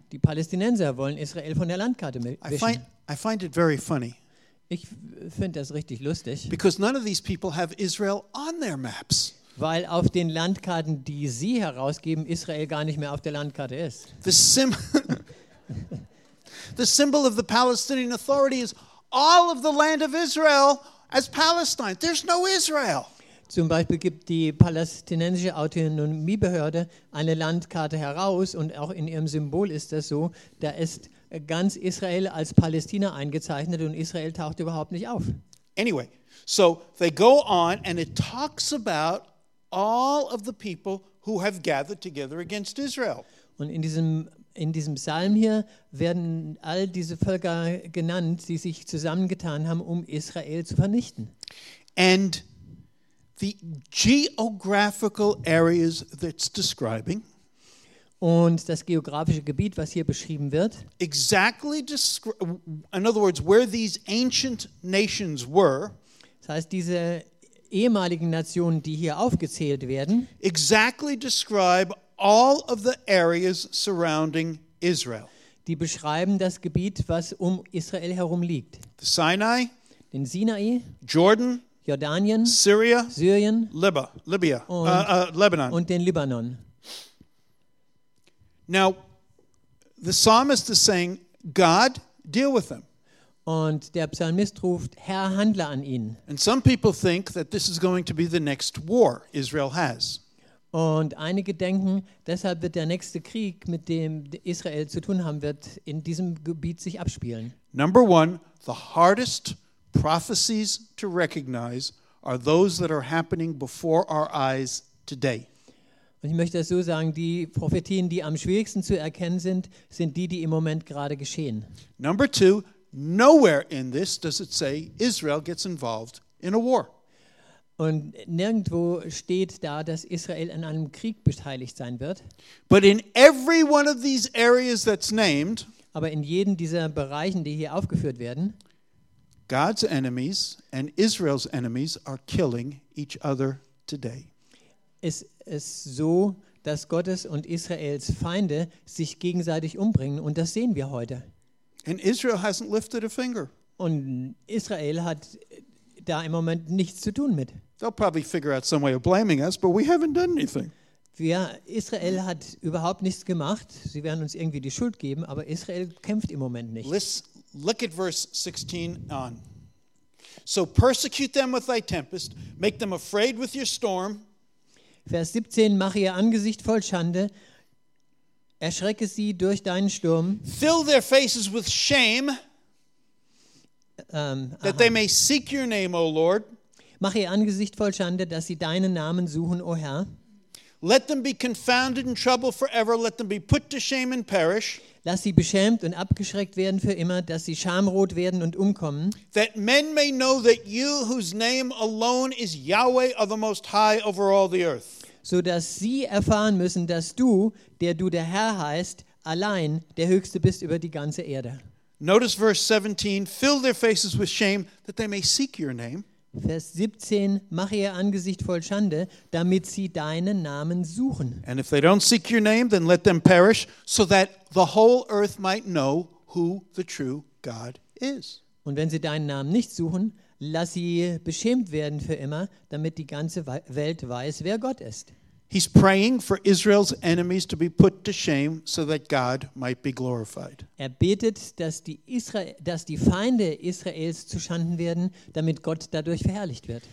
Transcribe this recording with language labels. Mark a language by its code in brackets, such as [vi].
[de] Die Palästinenser wollen Israel von der Landkarte wischen. [en] I find it very funny. [de] Ich finde das richtig lustig. [en] Because none of these people have Israel on their maps. [de] Weil auf den Landkarten, die sie herausgeben, Israel gar nicht mehr auf der Landkarte ist. [en] The symbol of the Palestinian Authority is all of the land of Israel as Palestine. There's no Israel. [de] Zum Beispiel gibt die palästinensische Autonomiebehörde eine Landkarte heraus und auch in ihrem Symbol ist das so, da ist ganz Israel als Palästina eingezeichnet und Israel taucht überhaupt nicht auf. [en] Anyway, so they go on and it talks about all of the people who have gathered together against Israel. [de] Und in diesem Psalm hier werden all diese Völker genannt, die sich zusammengetan haben, um Israel zu vernichten. [en] And the geographical areas that's describing, [de] und das geografische Gebiet, was hier beschrieben wird, [en] exactly, in other words, where these ancient nations were, [de] das heißt diese ehemaligen Nationen, die hier aufgezählt werden, [en] exactly describe all of the areas surrounding Israel. [de] Die beschreiben das Gebiet, was um Israel herum liegt. [en] The Sinai, [de] den Sinai, [en] Jordan, [de] Jordanien, [en] Syria, [de] Syrien, [en] Libya, [de] Lebanon, und den Libanon. [en] Now, the psalmist is saying, God, deal with them. [de] Und der Psalmist ruft, Herr, handle an ihnen. [en] And some people think that this is going to be the next war Israel has. [de] Und einige denken, deshalb wird der nächste Krieg, mit dem Israel zu tun haben wird, in diesem Gebiet sich abspielen. [en] Number one, the hardest prophecies to recognize are those that are happening before our eyes today. [de] Und ich möchte das so sagen, die Prophetien, die am schwierigsten zu erkennen sind, sind die, die im Moment gerade geschehen. [en] Number two, nowhere in this does it say Israel gets involved in a war. [de] Und nirgendwo steht da, dass Israel an einem Krieg beteiligt sein wird. [en] But in every one of these areas that's named, [de] aber in jedem dieser Bereichen, die hier aufgeführt werden, [en] God's enemies and Israel's enemies are killing each other today. [de] Es ist so, dass Gottes und Israels Feinde sich gegenseitig umbringen, und das sehen wir heute. [en] And Israel hasn't lifted a finger. [de] Und Israel hat da im Moment nichts zu tun mit. [en] They'll probably figure out some way of blaming us, but we haven't done anything. [de] Ja, Israel hat überhaupt nichts gemacht. Sie werden uns irgendwie die Schuld geben, aber Israel kämpft im Moment nicht. [en] Look at verse 16 on. So persecute them with thy tempest, make them afraid with your storm. [de] Vers 17, mache ihr Angesicht voll Schande, erschrecke sie durch deinen Sturm. [en] Fill their faces with shame, that they may seek your name, O Lord. [de] Mache ihr Angesicht voll Schande, dass sie deinen Namen suchen, O Herr. [en] Let them be confounded in trouble forever, let them be put to shame and perish. [de] Lass sie beschämt und abgeschreckt werden für immer, dass sie schamrot werden und umkommen. [en] That men may know that you, whose name alone is Yahweh, are the most high over all the earth. [de] So dass sie erfahren müssen, dass du der Herr heißt, allein der Höchste bist über die ganze Erde. [en] Notice verse 17, fill their faces with shame, that they may seek your name. [de] Vers 17, mache ihr Angesicht voll Schande, damit sie deinen Namen suchen. [en] And if they don't seek your name, then let them perish, so that the whole earth might know who the true God is. [de] Und wenn sie deinen Namen nicht suchen, lass sie beschämt werden für immer, damit die ganze Welt weiß, wer Gott ist. [en] He's praying for Israel's enemies to be put to shame, so that God might be glorified. [de] Er betet, dass die Feinde Israels zu Schanden werden, damit Gott dadurch verherrlicht wird.